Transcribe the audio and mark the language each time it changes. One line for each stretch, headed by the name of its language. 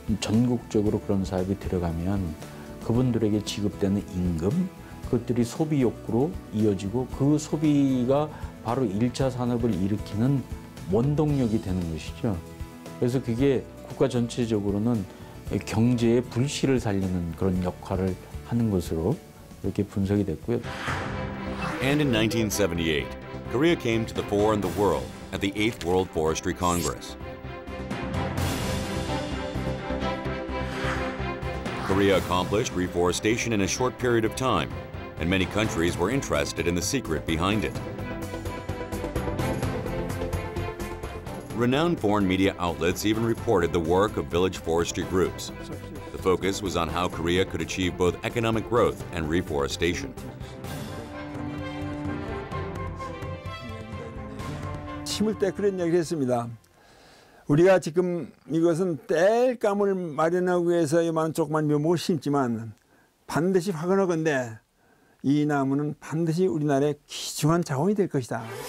Korean: 전국적으로 그런 사업이 들어가면 그분들에게 지급되는 임금, 그것들이 소비 욕구로 이어지고 그 소비가 바로 1차 산업을 일으키는 원동력이 되는 것이죠. 그래서 그게 국가 전체적으로는 경제의 불씨를 살리는 그런 역할을 하는 것으로 이렇게 분석이 됐고요.
English: And in 1978, Korea came to the fore in the world at the 8th World Forestry Congress. Korea accomplished reforestation in a short period of time, and many countries were interested in the secret behind it. Renowned foreign media outlets even reported the work of village forestry groups. The focus was on how Korea could achieve both economic growth and reforestation.
Korean: 심을 때 그런 얘기를 했습니다. 우리가 지금 이것은 땔감을 마련하기 위해서 이만한 조그만 묘목을 심지만 반드시 화근하건대 이 나무는 반드시 우리나라의 귀중한 자원이 될 것이다.